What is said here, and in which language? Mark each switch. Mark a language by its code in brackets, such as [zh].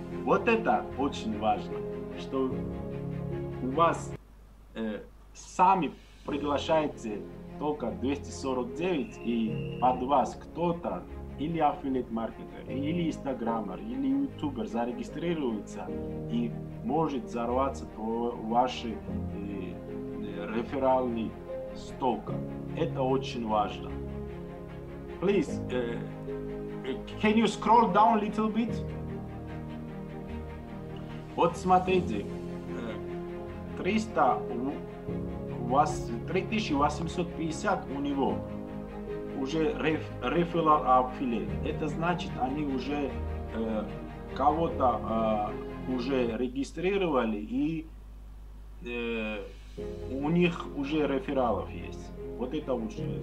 [ru] Вот это очень важно, что у вас сами приглашаете только 249, и под вас кто-то или аффилиат-маркетер, или инстаграмер, или ютубер зарегистрируется и может взорваться по вашей реферальной стока. Это очень важно. [en] Please, can you scroll down a little bit? [ru] Вот смотрите, 3850 у него уже рефилал аффилиат. Это значит, они уже кого-то уже регистрировали, и у них уже рефералов есть. Вот это лучше.